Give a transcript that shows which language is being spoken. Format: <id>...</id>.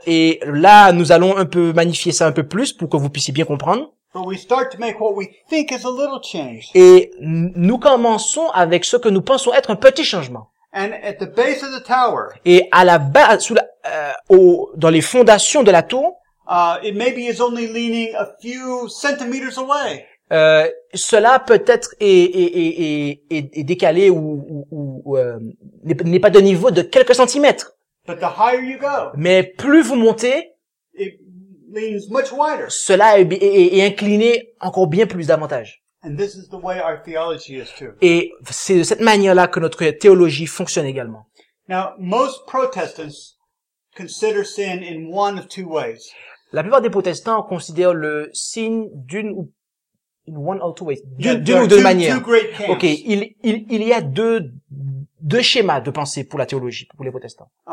<fr>Et là, nous allons un peu magnifier ça un peu plus pour que vous puissiez bien comprendre.</fr> <en>But we start to make what we think is a little change.</en> <fr>Et nous commençons avec ce que nous pensons être un petit changement.</fr> <en>And at the base of the tower.</en> <fr>Et à la base, dans les fondations de la tour.</fr> <en>It maybe is only leaning a few centimeters away.</en> <fr>Cela peut-être est décalé ou n'est pas de niveau de quelques centimètres.</fr> <en>But the higher you go.</en> <fr>Mais plus vous montez.</fr> <en>Leans much wider.</en> <fr>Cela est incliné encore bien plus davantage.</fr> <en>And this is the way our theology is too.</en> <fr>Et c'est de cette manière-là que notre théologie fonctionne également.</fr> <en>Now, most Protestants consider sin in one of two ways.</en> <fr>La plupart des protestants considèrent le sin d'une ou deux manières.</fr> <en>Two great camps.</en> <fr>Okay, il y a deux schémas de pensée pour la théologie pour les protestants.</fr>